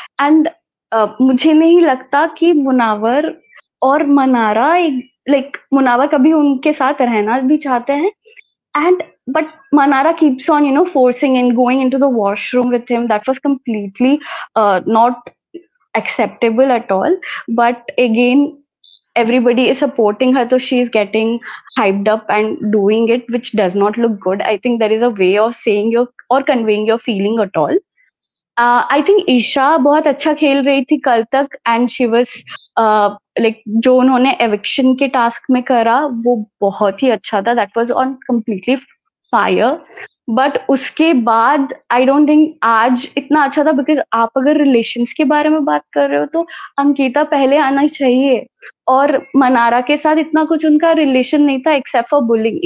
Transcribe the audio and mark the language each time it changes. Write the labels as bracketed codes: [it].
[hi] And मुझे नहीं लगता कि मुनावर और मनारा मुनावर कभी उनके साथ रहना भी चाहते हैं. [en] And but Mannara keeps on you know forcing and going into the washroom with him. That was completely not acceptable at all. But again everybody is supporting her, so she is getting hyped up and doing it, which does not look good. I think there is a way of saying your or conveying your feeling at all. I think [hi] Isha बहुत अच्छा खेल रही थी कल तक, [en] and she was [hi] जो उन्होंने eviction के task में करा वो बहुत ही अच्छा था, [en] that was on completely fire. [hi] But उसके बाद [en] I don't think [hi] आज इतना अच्छा था, because आप अगर relations के बारे में बात कर रहे हो तो अंकिता पहले आना ही चाहिए, और मनारा के साथ इतना कुछ उनका रिलेशन नहीं था [en] Except for bullying.